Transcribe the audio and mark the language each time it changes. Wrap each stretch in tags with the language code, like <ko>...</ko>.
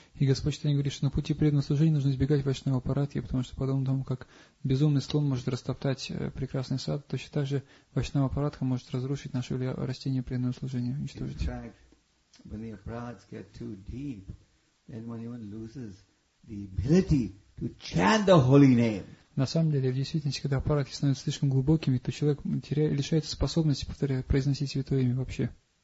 <ru>И Господь Читания говорит, что на пути преданного служения нужно избегать вайшнава аппаратхи, потому что подобно тому, как безумный слон может растоптать прекрасный сад, точно так же вайшнава аппаратха может разрушить наше растение преданного служения, уничтожить.</ru> <en>In fact, when the aparats get too deep, then one even loses the ability to chant the holy name.</en> <ru>На самом деле, в действительности, когда аппараты становятся слишком глубокими, то человек лишается способности, повторяю, произносить святое имя вообще.</ru>